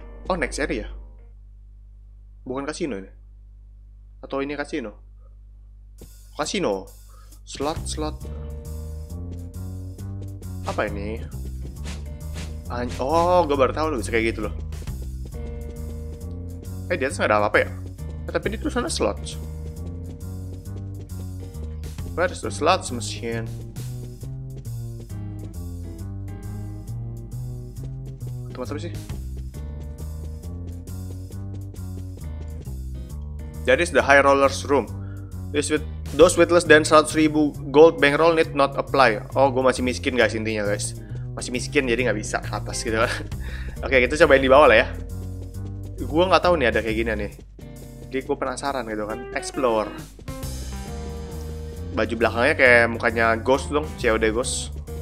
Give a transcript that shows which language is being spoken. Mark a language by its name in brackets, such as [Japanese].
[Indonesian] Oh, next area. Bukan kasino ini. Atau ini kasino? Kasino. Slot. Apa ini? Oh, gue baru tahu lo bisa kayak gitu loh. Di atas nggak ada apa-apa ya? Tapi di tulisannya slot. [English] Where is the slots machine? [Indonesian] Tempat apa sih? [English] That is the high roller's room. Those with less than 100,000 gold bankroll need not apply. [Indonesian] Oh, gue masih miskin guys, intinya guys. Masih miskin, jadi nggak bisa ke atas gitu. Oke, kita cobain di bawah lah ya. Gue nggak tahu nih ada kayak gini nih. Jadi gue penasaran gitu kan. Explore. Baju belakangnya kayak mukanya ghost dong. COD ghost.